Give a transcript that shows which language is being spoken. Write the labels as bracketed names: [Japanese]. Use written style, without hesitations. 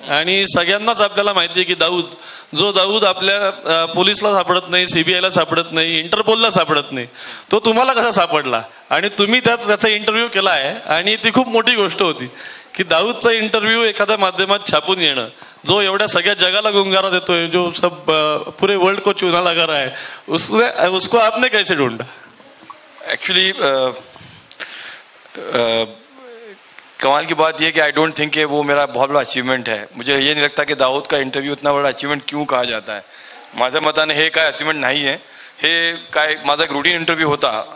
[Marathi] आणि सगळ्यांनाच आपल्याला माहिती आहे की दाऊद, जो दाऊद आपल्या पोलिसला सापडत नाही, सीबीआयला सापडत नाही, इंटरपोलला सापडत नाही, तो तुम्हाला कसा सापडला? आणि तुम्ही त्याचा इंटरव्ह्यू केला आहे आणि ती खूप मोठी गोष्ट होती की दाऊदचा इंटरव्ह्यू एखाद्या माध्यमात छापून येणं, जो एवढ्या सगळ्या जगाला गुंगारा देतोय, [Hindi] जो सब पुरे वर्ल्ड को चुना लगा रहा है, उसको आपने कैसे ढूंढा? एक्चुअली कमाल की बात यह कि [English] I don't think [Hindi] वो मेरा बहुत बड़ा अचीवमेंट है. मुझे ये नहीं लगता कि दाऊद का इंटरव्यू इतना बड़ा अचीवमेंट क्यों कहा जाता है. [Marathi] माझ्या मताने हे काय अचीवमेंट [Hindi] नहीं है, [Marathi] हे काय माझा एक रूटीन इंटरव्यू होता.